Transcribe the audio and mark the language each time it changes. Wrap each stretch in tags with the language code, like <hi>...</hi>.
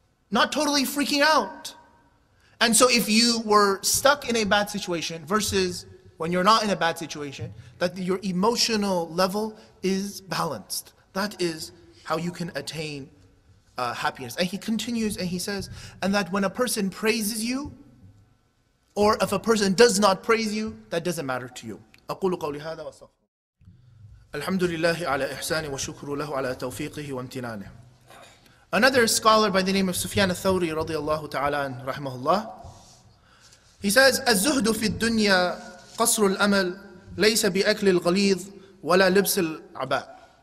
<en>Not totally freaking out. And so if you were stuck in a bad situation versus when you're not in a bad situation, that your emotional level is balanced. That is how you can attain happiness. And he continues and he says, and that when a person praises you, or if a person does not praise you, that doesn't matter to you.</en> <ar>أقول قولي هذا وأستغفر. الحمد لله على إحسانه وشكر له على توفيقه وامتنانه.</ar> <en>Another scholar by the name of Sufyan al-Thawri radiallahu ta'ala and rahmahullah, he says,</en> <ar>الزهد في الدنيا قصر الأمل ليس بأكل الغليظ ولا لبس العباء.</ar>